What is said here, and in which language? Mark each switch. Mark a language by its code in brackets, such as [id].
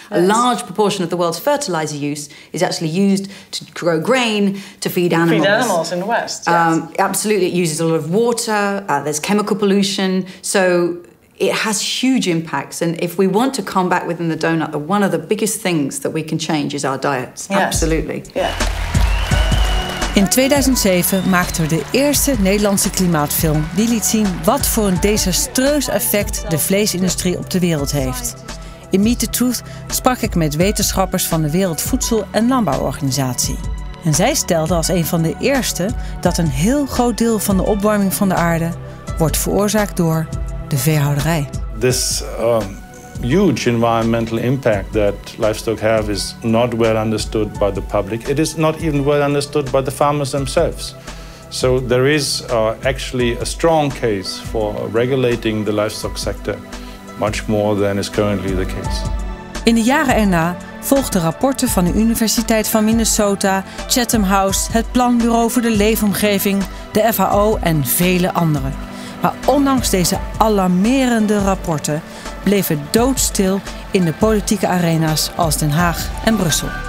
[en] Yes. A large proportion of the world's fertilizer use is actually used to grow grain to feed animals. Feed animals in the West, yes. Absolutely, it uses a lot of water. There's chemical pollution. So it has huge impacts. And if we want to combat within the donut, one of the biggest things that we can change is our diets. Yes. Absolutely. Yeah. [nl] In 2007 maakten we de eerste Nederlandse klimaatfilm die liet zien wat voor een desastreus effect de vleesindustrie op de wereld heeft. In Meet the Truth sprak ik met wetenschappers van de Wereld Voedsel- en Landbouworganisatie. En zij stelden als een van de eerste dat een heel groot deel van de opwarming van de aarde wordt veroorzaakt door de veehouderij. [en] This huge environmental impact that livestock have is not well understood by the public. It is not even well understood by the farmers themselves. So there is actually a strong case for regulating the livestock sector much more than is currently the case. [nl] In de jaren erna volgden rapporten van de Universiteit van Minnesota, Chatham House, het Planbureau voor de Leefomgeving, de FAO en vele anderen. Maar ondanks deze alarmerende rapporten bleven doodstil in de politieke arena's als Den Haag en Brussel.